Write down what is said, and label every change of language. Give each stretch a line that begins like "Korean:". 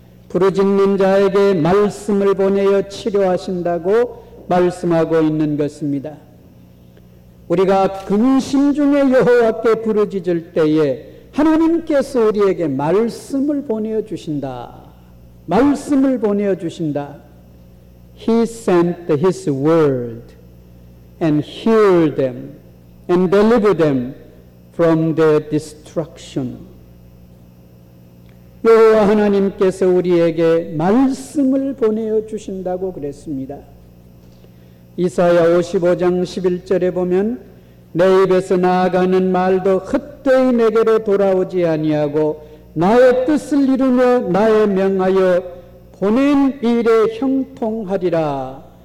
Korean: 부르짖는 자에게 말씀을 보내어 치료하신다고 말씀하고 있는 것입니다. 우리가 근심 중에 여호와께 부르짖을 때에 하나님께서 우리에게 말씀을 보내어 주신다. 말씀을 보내어 주신다.
English: He sent his word and healed them and delivered them from their destruction.
Korean: 여호와 하나님께서 우리에게 말씀을 보내어 주신다고 그랬습니다. 이사야 55장 11절에 보면 내 입에서 나아가는 말도 헛되이 내게로 돌아오지 아니하고 나의 뜻을 이루며 나의 명하여 보낸 일에 형통하리라.